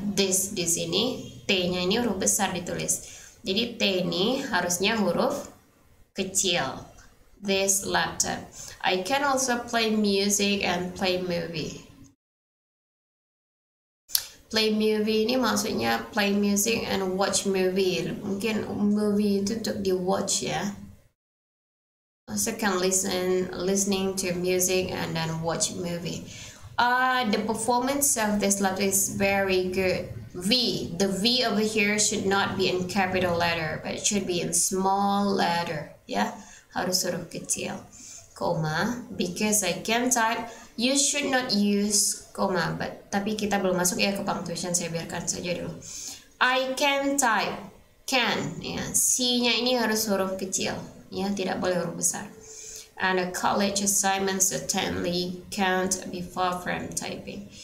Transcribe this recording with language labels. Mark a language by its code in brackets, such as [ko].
[id] This di sini T-nya ini huruf besar ditulis. Jadi T ini harusnya huruf kecil. [en] This laptop. I can also play music and play movie. Play movie [id] ini maksudnya [en] play music and watch movie. [id] Mungkin movie itu untuk di watch, ya. [en] Also can listening to music and then watch movie. The performance of this laptop is very good. The V over here should not be in capital letter, but it should be in small letter, ya. [id] Harus huruf kecil. Koma, [en] because I can type, you should not use [id] koma, but tapi kita belum masuk ya ke punctuation, saya biarkan saja dulu. [en] I can type, can, [id] ya, C-nya ini harus huruf kecil, ya, tidak boleh huruf besar. [en] And a college assignment certainly can't be far from typing.